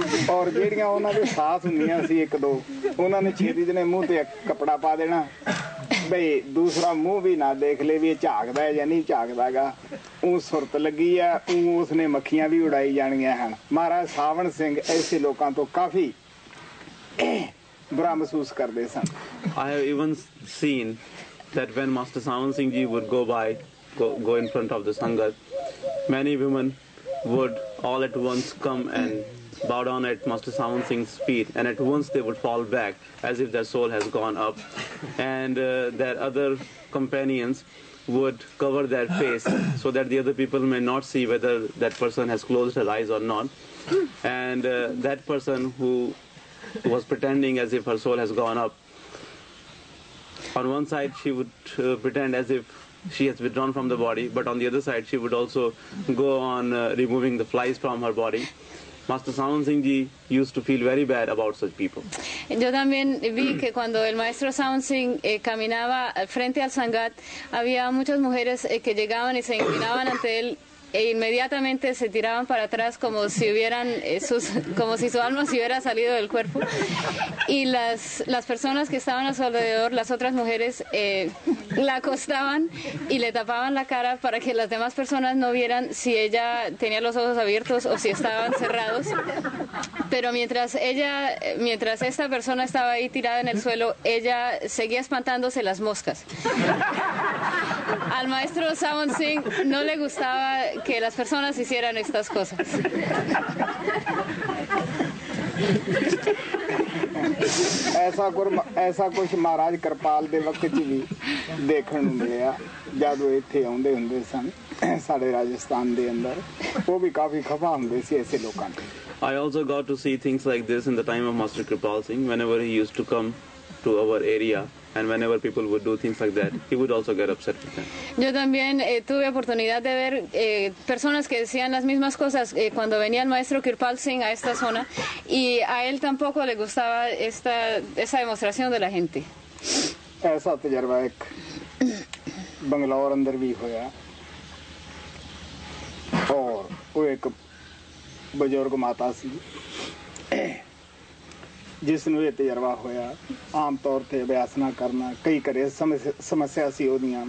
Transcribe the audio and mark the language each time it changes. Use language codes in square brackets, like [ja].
[pa] ਔਰ ਜਿਹੜੀਆਂ ਉਹਨਾਂ ਦੇ ਸਾਥ ਹੁੰਦੀਆਂ ਸੀ ਇੱਕ ਦੋ, ਉਹਨਾਂ ਨੇ ਛੇਤੀ ਦੇਣੇ ਮੂੰਹ 'ਤੇ ਕੱਪੜਾ ਪਾ ਦੇਣਾ ਬਈ ਦੂਸਰਾ ਮੂੰਹ ਵੀ ਨਾ ਦੇਖ ਲੇ ਵੀ ਇਹ ਝਾਕਦਾ ਜਾਂ ਨਹੀਂ ਝਾਕਦਾ ਗਾ, ਊ ਸੁਰਤ ਲੱਗੀ ਆ ਊ ਉਸਨੇ ਮੱਖੀਆਂ ਵੀ ਉਡਾਈ ਜਾਣੀਆਂ ਹਨ। ਮਹਾਰਾਜ ਸਾਵਣ ਸਿੰਘ ਐਸੇ ਲੋਕਾਂ ਤੋਂ ਕਾਫੀ ਬੁਰਾ ਮਹਿਸੂਸ ਕਰਦੇ ਸਨ। [en] I have even seen that when Master Sawan Singh ji would go by, go in front of the Sangat, many women would all at once come and bow down at Master Sawan Singh's feet, and at once they would fall back as if their soul has gone up, and their other companions would cover their face so that the other people may not see whether that person has closed her eyes or not, and that person who was pretending as if her soul has gone up, on one side she would pretend as if she has withdrawn from the body, but on the other side she would also go on removing the flies from her body. Master Sawan Singh ji used to feel very bad about such people. [es] Yo también vi que cuando el maestro Sawan Singh caminaba frente al sangat había muchas mujeres que llegaban y se inclinaban ante él e inmediatamente se tiraban para atrás como si hubieran como si su alma se hubiera salido del cuerpo, y las personas que estaban a su alrededor, las otras mujeres, la acostaban y le tapaban la cara para que las demás personas no vieran si ella tenía los ojos abiertos o si estaban cerrados. Pero mientras esta persona estaba ahí tirada en el suelo, ella seguía espantándose las moscas. Al maestro Sawan Singh no le gustaba que las personas hicieran estas cosas. [pa] ਐਸਾ ਕੁਛ ਮਹਾਰਾਜ ਕਿਰਪਾਲ ਦੇ ਵਕਤ 'ਚ ਵੀ ਦੇਖਣ ਨੂੰ ਮਿਲਿਆ ਜਦ ਉਹ ਇੱਥੇ ਆਉਂਦੇ ਹੁੰਦੇ ਸਨ ਸਾਡੇ ਰਾਜਸਥਾਨ ਦੇ ਅੰਦਰ, ਉਹ ਵੀ ਕਾਫੀ ਖਫਾ ਹੁੰਦੇ ਸੀ ਐਸੇ ਲੋਕਾਂ ਦੇ। [en] I also got to see things like this in the time of Master Kripal Singh. Whenever he used to come to our area and whenever people would do things like that, he would also get upset with them. [es] Yo también tuve oportunidad de ver personas que decían las mismas cosas cuando venía el maestro Kripal Singh a esta zona, y a él tampoco le gustaba esa demostración de la gente. [pa] Esa tajarba ek Bangalore andar bhi hoya, aur oh ek ਬਜ਼ੁਰਗ ਮਾਤਾ ਸੀ ਜਿਸ ਨੂੰ ਇਹ ਤਜਰਬਾ ਹੋਇਆ। ਆਮ ਤੌਰ 'ਤੇ ਅਭਿਆਸ ਨਾ ਕਰਨਾ ਕਈ ਘਰੇ ਸਮੱਸਿਆ ਸੀ ਉਹਦੀਆਂ।